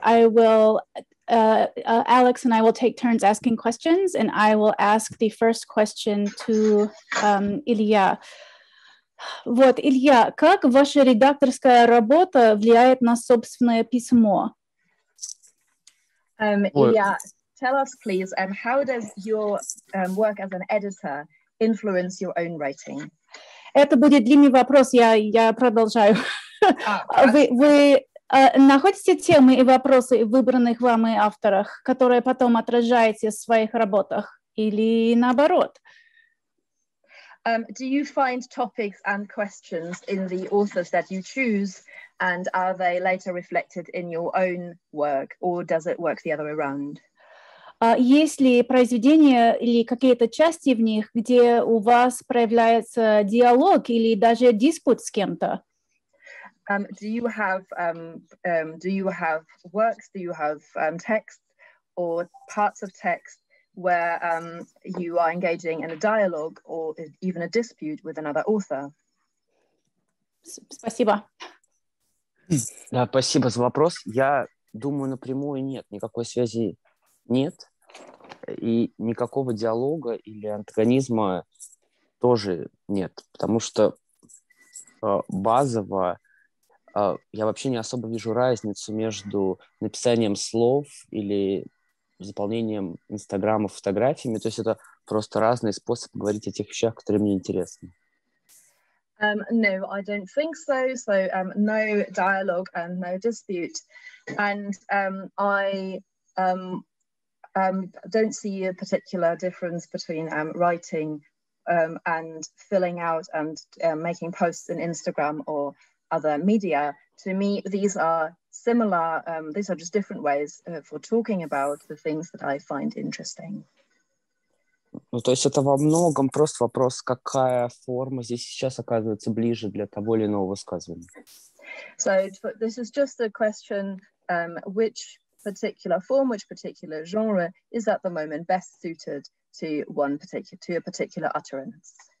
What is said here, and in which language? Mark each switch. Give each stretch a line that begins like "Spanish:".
English: I will, Alex and I will take turns asking questions, and I will ask the first question to Ilya.
Russian: Вот, Илья, как ваша редакторская работа влияет на собственное письмо?
English: Илья, tell us please, how does your work as an editor influence your own writing?
Russian: Это будет длинный вопрос, я продолжаю. Вы находите темы и вопросы в выбранных вами авторах, которые потом отражаете в своих работах, или наоборот?
English: Do you find topics and questions in the authors that you choose, and are they later reflected in your own work, or does it work the other way around?
Russian: Есть ли произведения или какие-то части в них, где у вас проявляется диалог или даже диспут с кем-то?
English: Do you have works? Do you have texts or parts of text where you are engaging in a dialogue or even a dispute with another author?
Russian: Спасибо. Да, спасибо за вопрос. Я думаю, напрямую нет, никакой связи нет, и никакого диалога или антагонизма тоже нет, потому что базово, я вообще не особо вижу разницу между написанием слов или заполнением Инстаграма фотографиями. То есть это просто разный способ говорить о тех вещах, которые мне интересны.
English: No, I don't think so. So no dialogue and no dispute. And I don't see a particular difference between writing and filling out and making posts in Instagram or other media. To me, these are similar, these are just different ways for talking about the things that I find interesting.
Russian: Ну, то есть это во многом просто вопрос, какая форма здесь сейчас оказывается ближе для того или иного высказывания.
English: So this is just a question, which particular form, which particular genre is at the moment best suited to one particular, to a particular utterance.